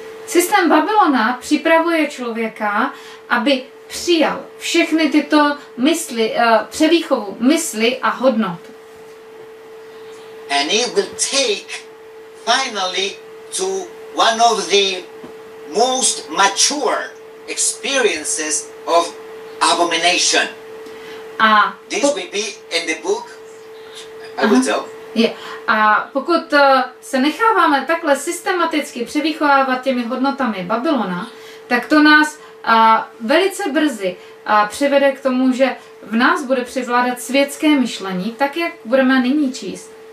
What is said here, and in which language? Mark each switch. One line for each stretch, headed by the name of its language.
Czech: Systém Babylona připravuje člověka, aby přijal všechny tyto mysli, převýchovu mysli a hodnot.
English: And it will take finally to one of the most mature experiences of abomination. This will be in the book, I will tell. Yeah.
Czech: A pokud se necháváme takhle systematicky převychovávat těmi hodnotami Babylona, tak to nás velice brzy přivede k tomu, že v nás bude převládat světské myšlení, tak jak budeme nyní číst.